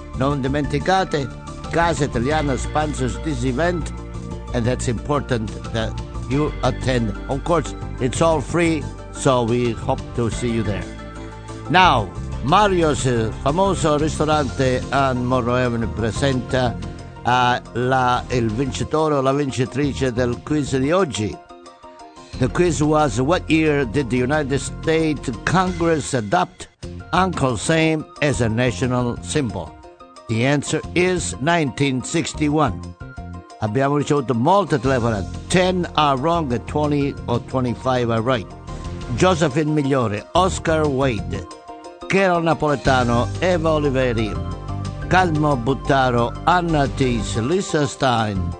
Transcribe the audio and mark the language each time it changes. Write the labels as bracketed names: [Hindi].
[Italian] Non dimenticate, [English] Casa Italiana sponsors this event, and that's important that you attend. Of course, it's all free, so we hope to see you there. [Italian] Now, Mario's famoso ristorante on Monroe Avenue presenta il vincitore o la vincitrice del quiz di oggi. [English] The quiz was, what year did the United States Congress adopt Uncle Sam as a national symbol? The answer is 1961. [Italian] Abbiamo ricevuto molte telefonate. [English] 10 are wrong, 20 or 25 are right. Josephine Migliore, Oscar Wade, Carol Napoletano, Eva Oliveri, Cadmo Buttaro, Anna Tis, Lisa Stein,